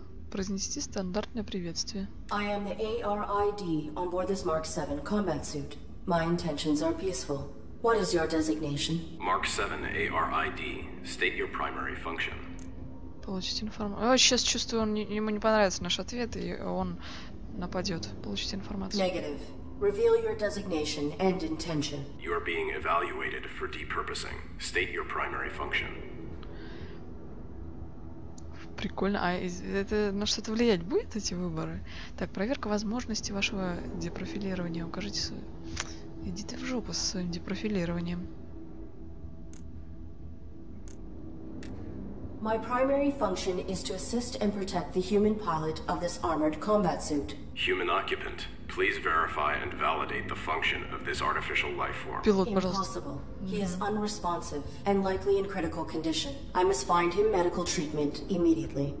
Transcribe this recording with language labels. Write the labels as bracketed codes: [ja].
[ru] Произнести стандартное приветствие. [en] I am the ARID on board this Mark 7 combat suit. My intentions are peaceful. What is your designation? Mark 7 ARID. State your primary function. [ru] Получить информацию. Сейчас чувствую, ему не понравится наш ответ, и он нападет. Получить информацию. [en] Negative. Reveal your designation and intention. You are being evaluated for depurposing. State your primary function. [ru] Прикольно. А это на что-то влиять будет, эти выборы? Так, проверка возможности вашего депрофилирования. Укажите свою... Иди ты в жопу со своим депрофилированием. [en] My primary function is to assist and protect the human pilot of this armored combat suit. Human occupant. Please verify and validate the function of this artificial life form. [ru] Пилот, [en] impossible. He is unresponsive and likely in critical condition. I must find him medical treatment immediately.